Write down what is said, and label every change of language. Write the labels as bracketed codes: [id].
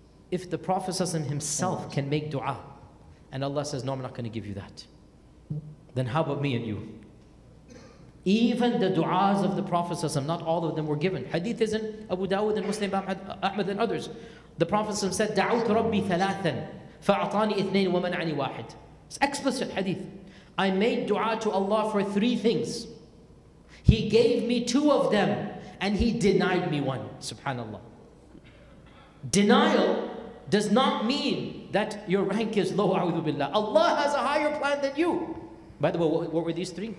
[en] If the Prophet himself can make dua, and Allah says, no, I'm not going to give you that, then how about me and you? Even the du'as of the Prophet, not all of them were given. Hadith is in Abu Dawud and Muslim, Ahmad and others. The Prophet said, [ar] دعوت ربي ثلاثا فأعطاني اثنين ومن عني واحد. [en] It's explicit hadith. I made dua to Allah for three things. He gave me two of them and he denied me one. Subhanallah. Denial does not mean that your rank is low. A'udhu billah. Allah has a higher plan than you. By the way, what were these three?